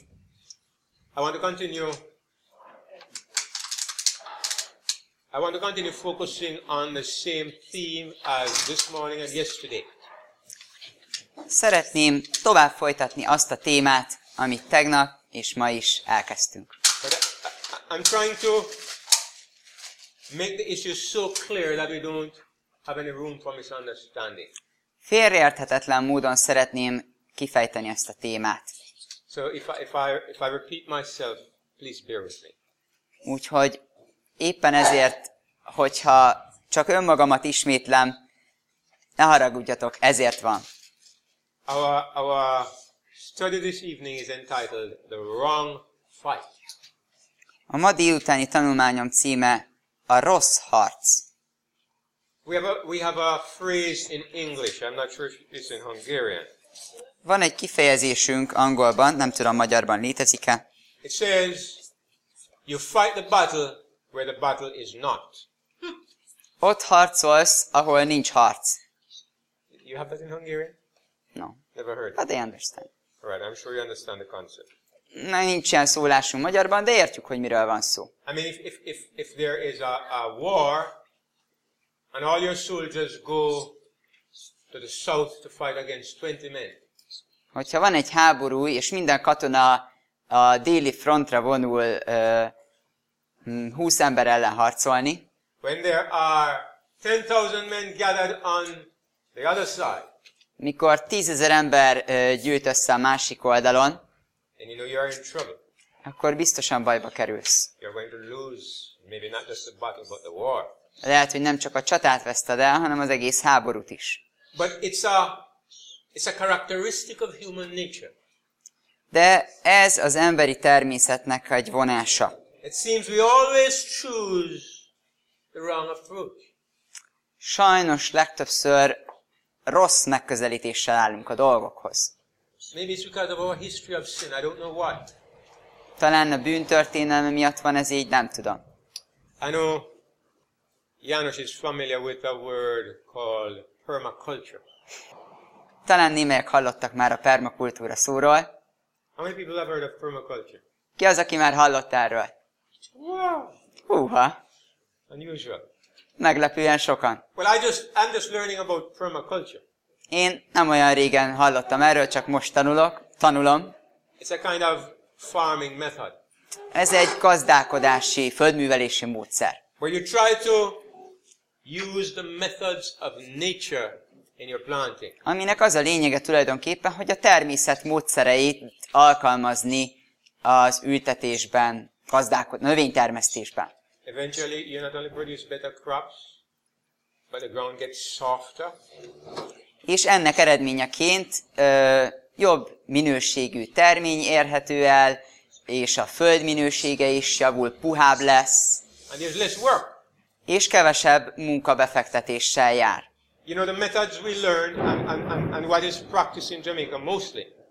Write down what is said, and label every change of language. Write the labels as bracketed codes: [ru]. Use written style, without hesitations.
[en] I want to continue focusing on the same theme as this morning and yesterday. [hu] Szeretném tovább folytatni azt a témát, amit tegnap és ma is elkezdtünk. [en] I'm trying to make the issue so clear that we don't have any room for misunderstanding. [hu] Félreérthetetlen módon szeretném kifejteni ezt a témát. [en] So if I repeat myself, please bear with me. [hu] Úgyhogy éppen ezért, hogyha csak önmagamat ismétlem, ne haragudjatok, ezért van. [en] Our study this evening is entitled The Wrong Fight. [hu] A ma délutáni tanulmányom címe A rossz harc. [en] We have a phrase in English. I'm not sure if it's in Hungarian. [hu] Van egy kifejezésünk angolban, nem tudom magyarban létezik-e. [en] It says you fight the battle where the battle is not. [hu] Ott harcolsz, ahol nincs harc. [en] You have that in Hungarian? No. Never heard. But I understand. All right, I'm sure you understand the concept. [hu] Na, nincs ilyen szólásunk magyarban, de értjük, hogy miről van szó. [en] I mean, if there is a war, and all your soldiers go to the south to fight against 20 men. [hu] Hogyha van egy háború, és minden katona a déli frontra vonul 20 ember ellen harcolni. [en] When there are 10,000 men gathered on the other side. [hu] Mikor 10,000 ember gyűjt össze a másik oldalon. [en] And you know you're in trouble. [hu] Akkor biztosan bajba kerülsz. [en] You're going to lose, maybe not just the battle, but the war. [hu] Lehet, hogy nem csak a csatát veszted el, hanem az egész háborút is. [en] But it's a characteristic of human nature. [hu] De ez az emberi természetnek egy vonása. [en] It seems we always choose the wrong approach. [hu] Sajnos legtöbbször rossz megközelítéssel állunk a dolgokhoz. [en] Maybe it's because of our history of sin, I don't know what. [hu] Talán a bűntörténelme miatt van ez így, nem tudom. [en] I know János is familiar with a word called permaculture. [hu] Talán némelyek hallottak már a permakultúra szóról. [en] How many people have heard of permaculture? [hu] Ki az, aki már hallott erről? [en] Wow. [hu] Húha. [en] Unusual. [hu] Meglepően sokan. [en] Well, I'm just learning about permaculture. [hu] Én nem olyan régen hallottam erről, csak most tanulom. [en] It's a kind of farming method. [hu] Ez egy gazdálkodási, földművelési módszer. [en] Where you try to use the methods of nature in your planting. [hu] Aminek az a lényege tulajdonképpen, hogy a természet módszereit alkalmazni az ültetésben, növénytermesztésben. [en] Eventually you not only produce better crops, but the ground gets softer. [hu] És ennek eredményeként jobb minőségű termény érhető el, és a föld minősége is javul, puhább lesz. [en] And there's less work. [hu] És kevesebb munkabefektetéssel jár. [en] You know the methods we learn and what is practiced in Jamaica mostly.